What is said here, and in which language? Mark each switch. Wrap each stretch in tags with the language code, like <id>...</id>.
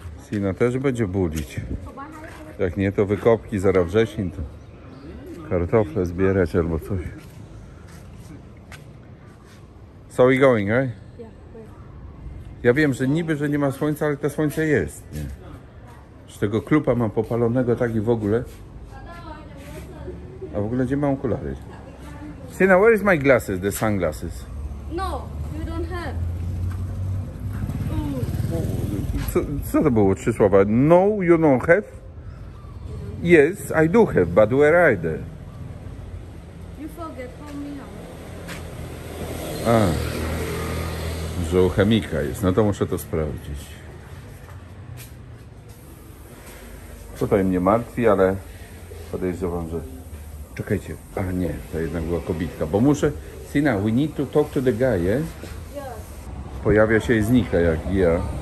<pl>Sina też będzie bulić. Jak nie, to wykopki, zaraz wrzesień, to kartofle zbierać albo coś.</pl> <en>So we going, right?</en> <pl>Ja wiem, że niby, że nie ma słońca, ale to słońce jest, nie? Z tego klupa mam popalonego tak i w ogóle. A w ogóle gdzie mam okulary?</pl> <en>Sina, where is my glasses, the sunglasses? No, you don't have.</en> <pl>Co to było, trzy słowa?</pl> <en>No, you don't have? Yes, I do have, but where are they? You forget, call me now.</en> <pl>Ah. zoochemika jest. No to muszę to sprawdzić. Tutaj mnie martwi, ale podejrzewam, że... Czekajcie, a nie, to jednak była kobitka, bo muszę...</pl> <en>Sina, we need to talk to the guy, eh?</en> <pl>Pojawia się i znika, jak ja.</pl>